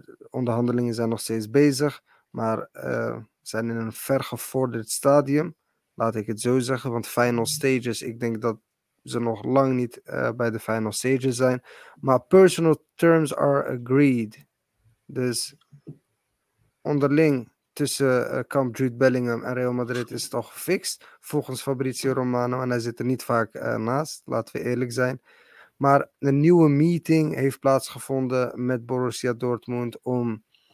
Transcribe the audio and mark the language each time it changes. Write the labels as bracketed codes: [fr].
[nl] Onderhandelingen zijn nog steeds bezig. Maar we zijn in een vergevorderd stadium, laat ik het zo zeggen. Want final stages, ik denk dat ze nog lang niet bij de final stages zijn. [en] Maar personal terms are agreed. [nl] Dus onderling tussen Camp Jude Bellingham en Real Madrid is het al gefixt. Volgens Fabrizio Romano, en hij zit er niet vaak naast, laten we eerlijk zijn. Maar een nieuwe meeting heeft plaatsgevonden met Borussia Dortmund om...